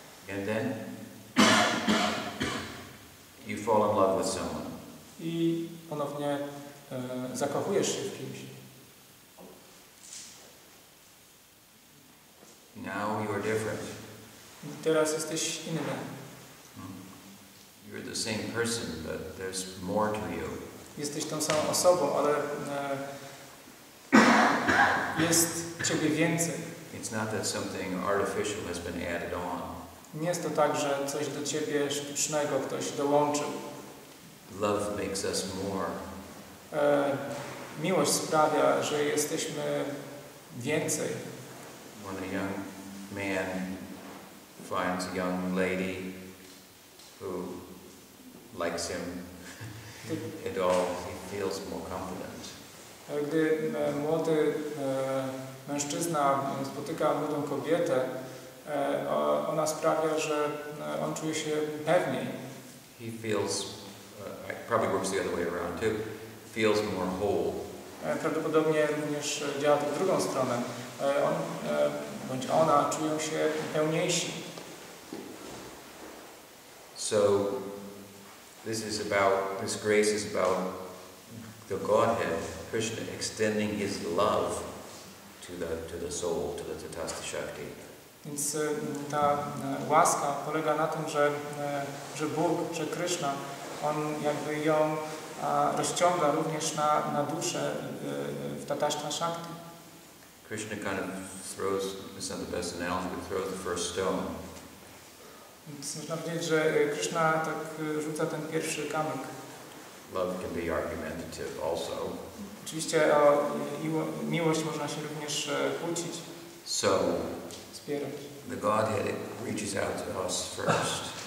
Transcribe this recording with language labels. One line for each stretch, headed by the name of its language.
English: And then you fall in love with someone.
Polish: I ponownie zakochujesz się w kimś.
English: Now you are different.
Polish: Teraz jesteś inny.
English: You're the same person, but there's more to you.
Polish: Jesteś tą samą osobą, ale jest ciebie więcej.
English: It's not that something artificial has been added on.
Polish: Nie jest to tak, że coś do ciebie sztucznego ktoś dołączył.
English: Love makes us more.
Polish: Miłość sprawia, że jesteśmy więcej.
English: When a young man finds a young lady who likes him, at all, he feels more confident.
Polish: Gdy młody mężczyzna spotyka młodą kobietę, ona sprawia, że on czuje się pewniej.
English: He feels, probably works the other way around too, feels more whole.
Polish: Prawdopodobnie również działa to w drugą stronę. On bądź ona czują się pełniejsi.
English: So this is about, this grace is about the Godhead, Krishna, extending his love to the soul, to the Tathasta Shakti.
Polish: Więc ta łaska polega na tym, że Bóg, że Krishna, on jakby ją rozciąga również na duszę w Tathasta Shakti.
English: Krishna kind of throws, this is not the best analogy, but throws the first stone.
Polish: Więc można powiedzieć, że Krishna tak rzuca ten pierwszy kamyk.
English: Love can be argumentative also.
Polish: Oczywiście o miłość można się również kłócić.
English: So,
Polish: spierać.
English: The Godhead reaches out to us first.